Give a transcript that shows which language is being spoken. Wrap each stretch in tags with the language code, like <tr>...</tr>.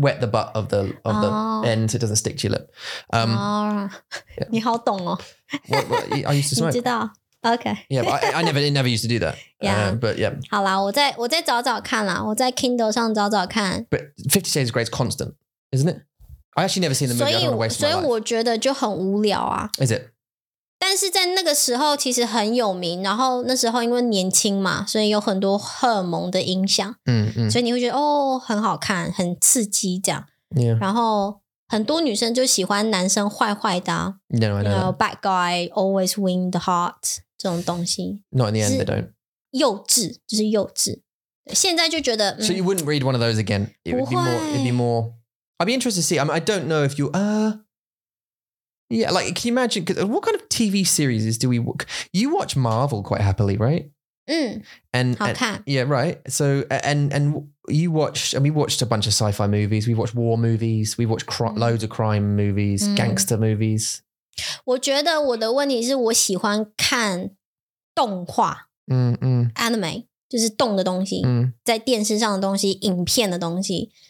<en>wet the butt of the end so it doesn't stick to your lip?</en> <zh>你好懂哦</zh> <en>I used to smoke.</en> <zh>你知道 Okay.</zh> <en>Yeah, but I never used to do that. Yeah. But yeah.</en> <zh>好啦，我再找找看啦，我在 Kindle 上找找看。</zh> <en>But Fifty Shades of Grey is constant, isn't it? I actually never seen the movie.</en> <zh>所以我觉得就很无聊啊。</zh> <en>Is it?</en> <zh>但是在那个时候其实很有名，然后那时候因为年轻嘛，所以有很多荷尔蒙的影响。所以你会觉得哦，很好看，很刺激这样。</zh> <en>Yeah.</en> <zh>然后。很多女生就喜欢男生坏坏的啊</zh> <en>No. Bad guy always win the heart</en> <zh>这种东西</zh> <en>Not in the end, they don't</en> <zh>幼稚就是幼稚现在就觉得</zh> <en>So you wouldn't read one of those again? It would be more, I'd be interested to see I mean, I don't know if you Yeah, like can you imagine cause What kind of TV series do we You watch Marvel quite happily, right?</en> <zh>好看</zh> <en>Yeah, right So, and you watched, and we watched a bunch of sci-fi movies, we watched war movies, we watched loads of crime movies, gangster movies.</en> <zh>我觉得我的问题是我喜欢看动画 anime, 就是动的东西在电视上的东西影片的东西。</zh>